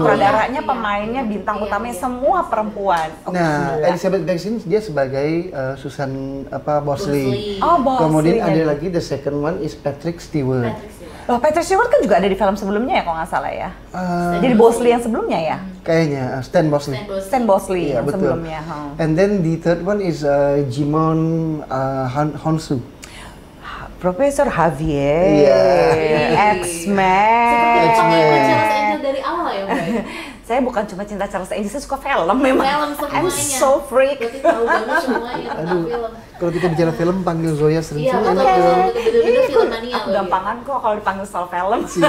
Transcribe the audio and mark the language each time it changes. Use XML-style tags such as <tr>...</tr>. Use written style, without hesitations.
<id>Sutradaranya, pemainnya, bintang utamanya semua perempuan. Okay, nah, gila. Elizabeth Banks ini dia sebagai Susan Bosley. Oh, Bosley. Kemudian ada lagi</id> <en>the second one is Patrick Stewart.</en> <id>Oh, Patrick Stewart kan juga ada di film sebelumnya ya, kalau nggak salah ya. Jadi Bosley yang sebelumnya ya? Kayaknya, Stan Bosley. Stan Bosley</id> <en>yeah,</en> <id>yang betul. Sebelumnya. Huh.</id> <en>And then the third one is Jimon Honsu.</en> <id>Profesor Javier,</id> <en>yeah.</en> <id>X-Men. Seperti yang paling ikut Charles Angel dari awal ya, Mbak? Saya bukan cuma cinta Charles Angel, saya suka film memang. Film semuanya.</id> <en>I'm so freak.</en> <id>Berarti tahu banget semuanya tentang film. Kalau kita bicara film, panggil Zoya sering-sering. Iya, betul-betul film mania loh. Aku gampangan kok kalau dipanggil soal film.</id>